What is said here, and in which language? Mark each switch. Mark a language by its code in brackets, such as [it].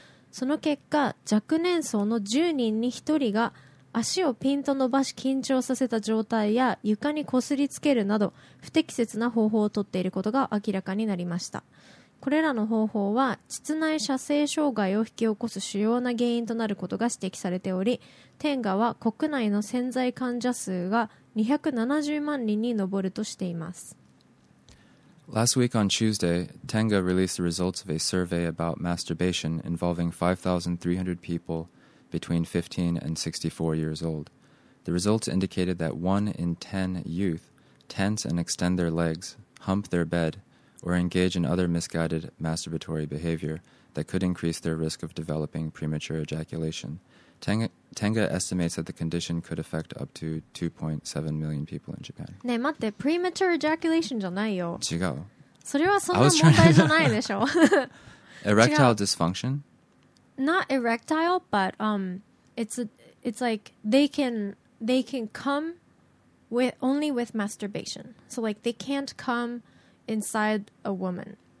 [ja] その結果、若年層の10人に1人が足をピンと伸ばし緊張させた状態や床に擦りつけるなど不適切な方法を取っていることが明らかになりました。これらの方法は膣内射精障害を引き起こす主要な原因となることが指摘されており、テンガは国内の潜在患者数が270万人に上るとしています。 [en] Last week on Tuesday, Tenga released the results of a survey about masturbation involving 5,300 people between 15 and 64 years old. The results indicated that 1 in 10 youth tense and extend their legs, hump their bed, or engage in other misguided masturbatory behavior that could increase their risk of developing premature ejaculation. Tenga estimates that the condition could affect up to 2.7 million people in Japan. [ja] ねえ待って、 [en] premature ejaculation [ja] じゃないよ。違う。それはそんな問題じゃないでしょ。 [en] Erectile dysfunction? Not erectile, but it's like they can come with only with masturbation. So like they can't come inside a woman.